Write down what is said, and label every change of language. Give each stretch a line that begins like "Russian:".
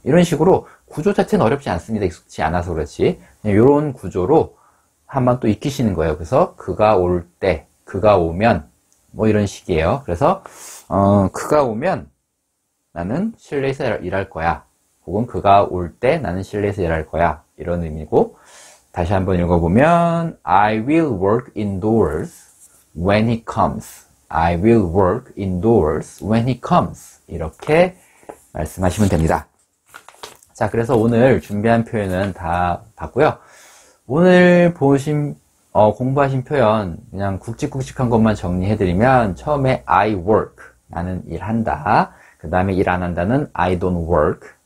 Korean: 이런 식으로 구조 자체는 어렵지 않습니다. 익숙치 않아서 그렇지. 이런 구조로 한번 또 익히시는 거예요. 그래서 그가 올 때, 그가 오면, 뭐 이런 식이에요. 그래서, 그가 오면 나는 실내에서 일할 거야. 혹은 그가 올때 나는 실내에서 일할 거야. 이런 의미고.
English: 다시 한번 읽어보면, I will work indoors when he comes. I will work indoors when he comes.
Korean: 이렇게 말씀하시면 됩니다. 자, 그래서 오늘 준비한 표현은 다 봤고요. 오늘 공부하신 표현, 그냥 굵직굵직한 것만 정리해드리면, 처음에
English: I work.
Korean: 나는 일한다. 그 다음에 일안 한다는
English: I don't work.